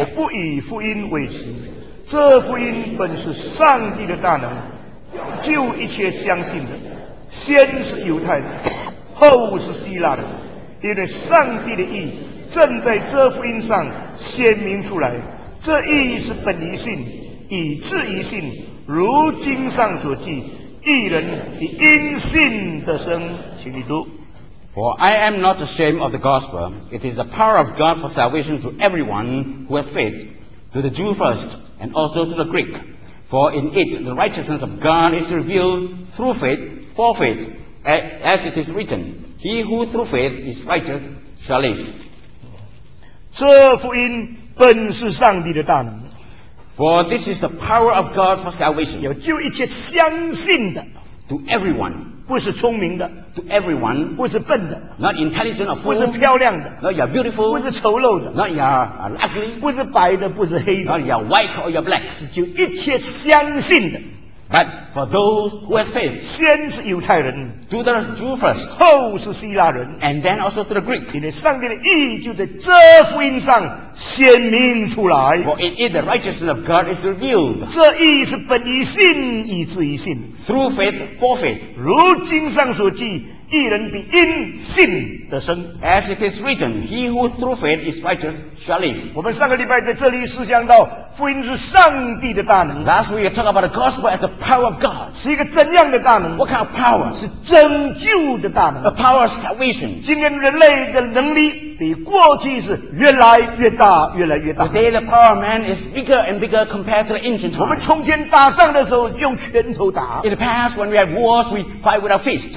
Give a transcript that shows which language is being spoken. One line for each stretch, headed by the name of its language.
Chinese: 我不以福音为耻，这福音本是上帝的大能，要救一切相信的，先是犹太人，后是希腊人，因为上帝的义正在这福音上显明出来，这义是本于信，以至于信。如经上所记，义人以因信得生。请你读。
English: For I am not ashamed of the gospel. It is the power of God for salvation to everyone who has faith, to the Jew first, and also to the Greek. For in it the righteousness of God is revealed through faith, for faith, as it is written, He who through faith is righteous shall live.
Chinese: 这福音本是上帝的大能。
English: For this is the power of God for salvation.
Chinese: 要救一切相信的。
English: To everyone.
Chinese: 不是聪明的。
English: To everyone.
Chinese: 不是笨的。
English: Not intelligent or fool.
Chinese: 不是漂亮的。
English: Not you're beautiful.
Chinese: 不是丑陋的。
English: Not you're ugly.
Chinese: 不是白的，不是黑的。
English: Not you're white or you're black.
Chinese: 是救一切相信的。
English: But for those who have faith.
Chinese: 先是犹太人。
English: To the Jew first.
Chinese: 后是希腊人。
English: And then also to the Greek.
Chinese: 因为上帝的义就在这福音上显明出来。
English: For in it the righteousness of God is revealed.
Chinese: 这义是本于信，以至于信。
English: Through faith, for faith.
Chinese: 如经上所记，义人必因信得生。
English: As it is written, he who through faith is righteous shall live.
Chinese: 我们上个礼拜在这里思想到福音是上帝的大能。
English: Last week we talked about the gospel as the power of God.
Chinese: 是一个怎样的大能？
English: What kind of power?
Chinese: 是拯救的大能。
English: The power of salvation.
Chinese: 今天人类的能力比过去是越来越大，越来越大。
English: Today the power of man is bigger and bigger compared to the ancient times.
Chinese: 我们从前打仗的时候用拳头打。
English: In the past when we had wars, we fight with our fists.